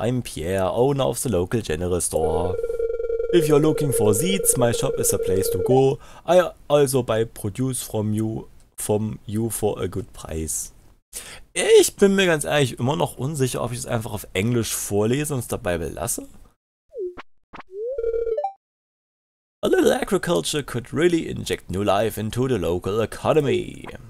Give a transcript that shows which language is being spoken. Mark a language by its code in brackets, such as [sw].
[en] I'm Pierre, owner of the local general store. If you're looking for seeds, my shop is a place to go. I also buy produce from you for a good price. [de] Ich bin mir ganz ehrlich immer noch unsicher, ob ich es einfach auf Englisch vorlese und es dabei belasse. [en] A little agriculture could really inject new life into the local economy.